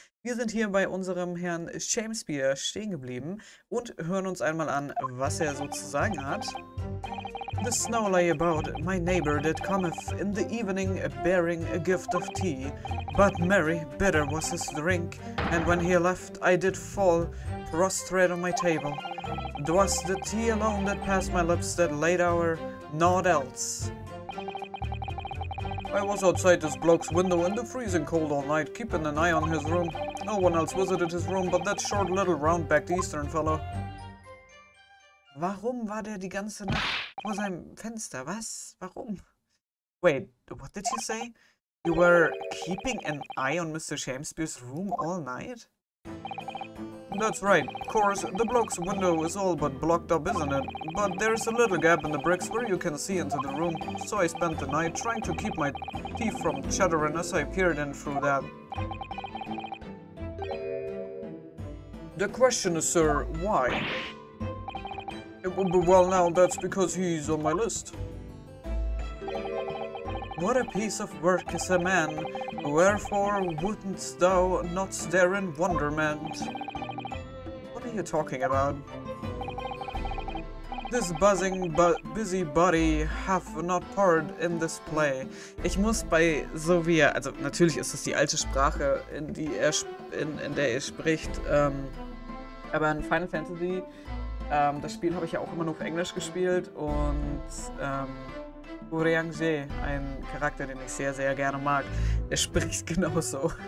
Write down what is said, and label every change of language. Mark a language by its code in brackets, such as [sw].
[de] Wir sind hier bei unserem Herrn Shamspeare stehen geblieben und hören uns einmal an, was er so zu sagen hat. [en] The snow lay about, my neighbor did cometh in the evening bearing a gift of tea. But merry, bitter was his drink, and when he left, I did fall prostrate on my table. It was the tea alone that passed my lips that late hour, naught else. I was outside this bloke's window in the freezing cold all night, keeping an eye on his room. No one else visited his room but that short little round-backed eastern fellow. [de] Warum war der die ganze Nacht vor seinem Fenster? Was? Warum? [en] Wait, what did you say? You were keeping an eye on Mr. Shamspeare's room all night? That's right. Of course, the bloke's window is all but blocked up, isn't it? But there's a little gap in the bricks where you can see into the room. So I spent the night trying to keep my teeth from chattering as I peered in through that. The question is, sir, why? It will be well now, that's because he's on my list. What a piece of work is a man. Wherefore wouldn't thou not stare in wonderment? What are you talking about? This buzzing busy body have not part in this play. [de] Ich muss bei so wie er, also natürlich ist es die alte Sprache, in die er in der er spricht, aber in Final Fantasy, das Spiel habe ich ja auch immer nur auf Englisch gespielt und Uriangje, ein Charakter, den ich sehr, sehr gerne mag, er spricht genauso.